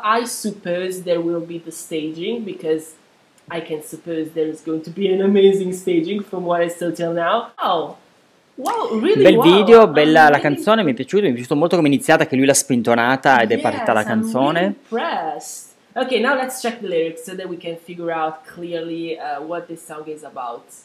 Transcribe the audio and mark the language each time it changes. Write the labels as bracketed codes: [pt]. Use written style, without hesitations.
[en] I suppose there will be the staging, because I can suppose there is going to be an amazing staging from what I saw till now. [it] Bel video, bella la canzone, mi è piaciuto molto come è iniziata, che lui l'ha spintonata ed è partita la canzone. [en] I'm impressed. Okay, now let's check the lyrics so that we can figure out clearly what this song is about.